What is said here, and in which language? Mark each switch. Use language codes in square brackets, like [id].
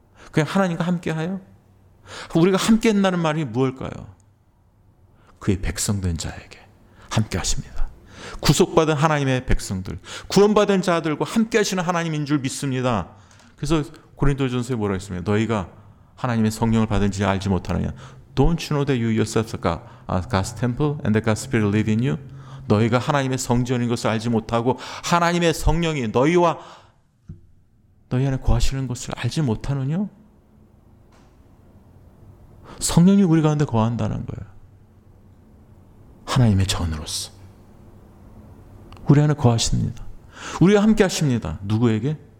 [ko] 그냥 하나님과 함께하여? 우리가 함께 했다는 말이 무엇일까요? 그의 백성된 자에게 함께 하십니다. 구속받은 하나님의 백성들 구원받은 자들과 함께 하시는 하나님인 줄 믿습니다. 그래서 고린도전서에 뭐라고 했습니까? 너희가 하나님의 성령을 받은지 알지 못하느냐? [en] Don't you know that you yourself are God's temple and the God's spirit live in you? [ko] 너희가 하나님의 성전인 것을 알지 못하고 하나님의 성령이 너희와 너희 안에 거하시는 것을 알지 못하느냐? 성령이 우리 가운데 거한다는 거예요. 하나님의 전으로서 우리 안에 거하십니다. 우리와 함께 하십니다. 누구에게?